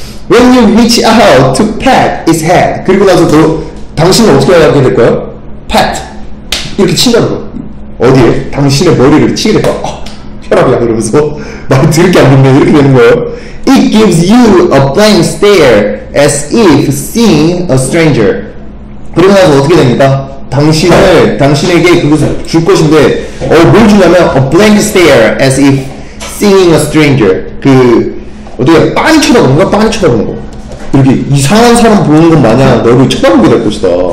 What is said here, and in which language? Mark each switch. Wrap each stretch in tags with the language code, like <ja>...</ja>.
<en>When you reach out to pat his head.</en> <ko>그리고 나서 너, 당신은 어떻게 하게 될 거야? pat. 이렇게 친다는 거. 어디에? 당신의 머리를 치게 될 거야. 혈압이야, 이러면서. 말 들을 게 안 듣네. 이렇게 되는 거예요.</ko> <en>It gives you a blank stare as if seeing a stranger.</en> <ko>그리고 나서 어떻게 됩니까? 당신에게 그것을 줄 것인데, 뭘 주냐면, a blank stare as if seeing a stranger. 그, 어떻게, 빤히 쳐다보는 거야? 빤히 쳐다보는 거. 이렇게 이상한 사람 보는 것 마냥 너를 쳐다보게 될 것이다.</ko>